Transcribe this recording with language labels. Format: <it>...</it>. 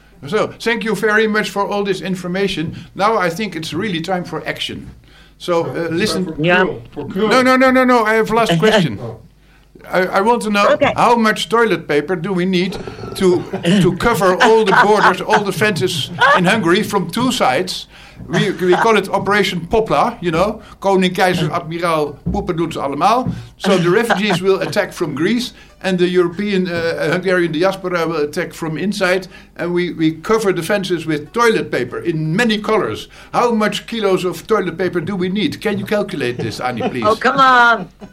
<en>So thank you very much for all this information. Now I think it's really time for action. So listen. No. I have last question. I want to know how much toilet paper do we need to cover all the borders, all the fences in Hungary from two sides. We call it Operation Popla, you know.</en> <nl>Koning, Keizer, Admiraal, Poepen doen ze allemaal.</nl> <en>So the refugees will attack from Greece, and the European Hungarian diaspora will attack from inside, and we cover the fences with toilet paper in many colors. How much kilos of toilet paper do we need? Can you calculate this, Annie, please? Oh, come on.</en>